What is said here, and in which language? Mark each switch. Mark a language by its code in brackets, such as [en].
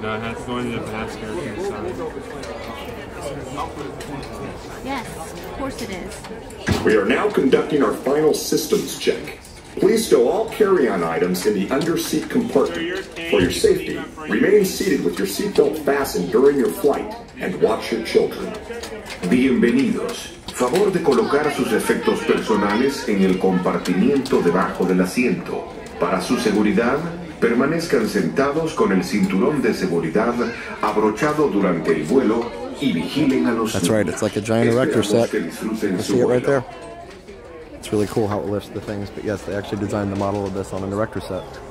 [en] No, it has to go into the basket. Yes, of course it is. We are now conducting our final systems check. Please stow all carry-on items in the underseat compartment. For your safety, remain seated with your seatbelt fastened during your flight and watch your children. [es] Bienvenidos. Favor de colocar sus efectos personales en el compartimiento debajo del asiento. Para su seguridad, permanezcan sentados con el cinturón de seguridad abrochado durante el vuelo y vigilen a los [en] That's right, it's like a giant erector set. I see it right there. It's really cool how it lifts the things, but yes, they actually designed the model of this on an erector set.